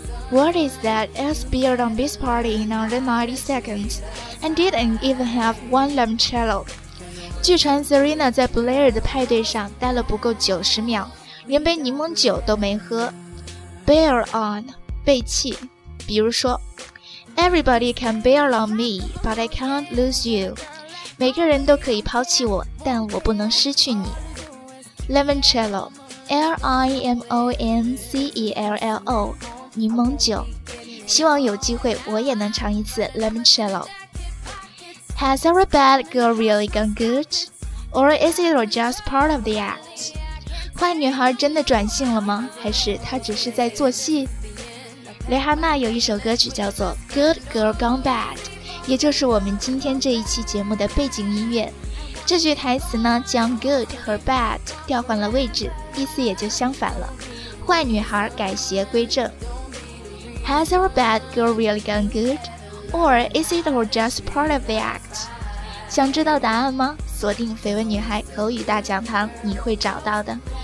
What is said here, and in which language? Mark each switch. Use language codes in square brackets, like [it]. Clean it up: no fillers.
[en] What is that as built on this party in under 90 seconds and didn't even have one limoncello? [zh] 据传 Serena 在 Blair 的派对上待了不够90秒，连杯柠檬酒都没喝。 [en] Bail on, [zh] 背弃，比如说 [en] Everybody can bail on me, but I can't lose you. [zh] 每个人都可以抛弃我，但我不能失去你。 Limoncello, L-I-M-O-N-C-E-L-L-O,柠檬酒，希望有机会我也能尝一次 limoncello. [en] Has our bad girl really gone good? Or is it just part of the act? [zh] 坏女孩真的转性了吗？还是她只是在做戏？蕾哈娜有一首歌曲叫做 Good Girl Gone Bad, 也就是我们今天这一期节目的背景音乐。这句台词呢，将 good 和 bad 调换了位置，意思也就相反了。坏女孩改邪归正。 [en] Has our bad girl really gone good? Or is it all just part of the act? [zh] 想知道答案吗？锁定绯闻女孩口语大讲堂，你会找到的。